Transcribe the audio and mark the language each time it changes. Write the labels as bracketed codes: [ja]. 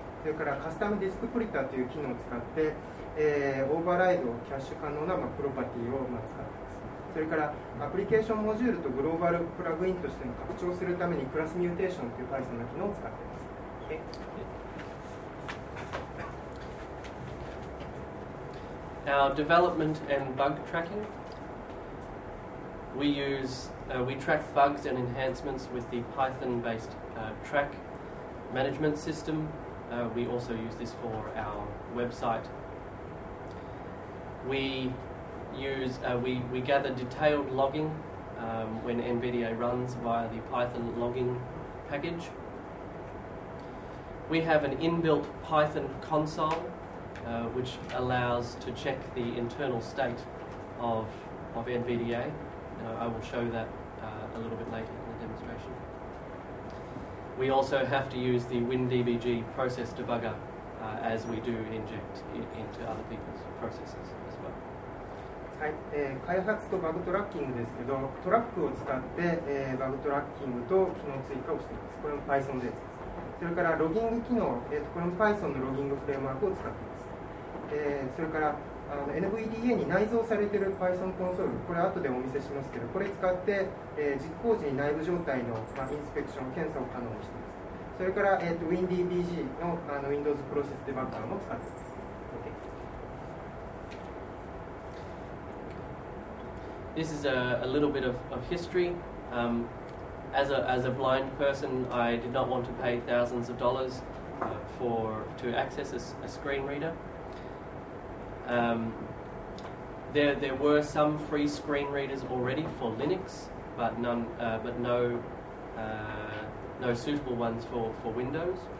[ja] それからカスタムディスクプリターという機能を使って、オーバーライド、キャッシュ可能な、プロパティを使っています。それからアプリケーションモジュールとグローバルプラグインとしての拡張するためにクラスミューテーションという Python の機能を使っています。 [en] Our development and bug tracking. We track bugs and enhancements with the Python-based track management system. We also use this for our website. We gather detailed logging when NVDA runs via the Python logging package. We have an inbuilt Python console which allows to check the internal state of NVDA. And I will show that a little bit later in the demonstration. We also have to use the WinDBG process debugger as we do inject it into other people's processes. [ja] はい、開発とバグトラッキングですけど、トラックを使って、バグトラッキングと機能追加をしています。これも Python です。それからロギング機能、これも Python のロギングフレームワークを使っています。それからあの NVDA に内蔵されている Python コンソール、これは後でお見せしますけど、これ使って、実行時に内部状態の、まあ、インスペクション、検査を可能にしています。それから、WinDBG の、 あの Windows プロセスデバッガーも使っています。 [en] This is a little bit of history. As a blind person, I did not want to pay thousands of dollars to access a screen reader. There were some free screen readers already for Linux, but no suitable ones for Windows.